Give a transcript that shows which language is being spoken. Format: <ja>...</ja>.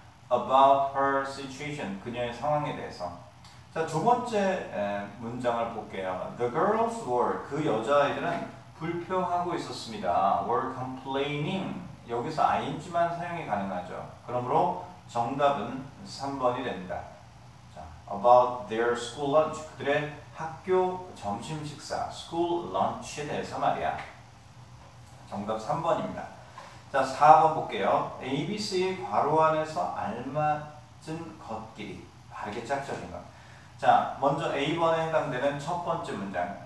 <en>about her situation.</en> <ko>그녀의 상황에 대해서. 자, 두 번째 문장을 볼게요.</ko> <en>The girls were.</en> <ko>그 여자아이들은 불평하고 있었습니다.</ko> <en>were complaining.</en> <ko>여기서 ing만 사용이 가능하죠. 그러므로 정답은 3번이 됩니다.</ko> <en>자, about their school lunch.</en> <ko>그들의 학교 점심 식사. school lunch에 대해서 말이야. 정답 3번입니다. 자, 4번 볼게요. ABC의 괄호 안에서 알맞은 것끼리. 바르게 짝지어진 것. 자, 먼저 A번에 해당되는 첫 번째 문장.</ko>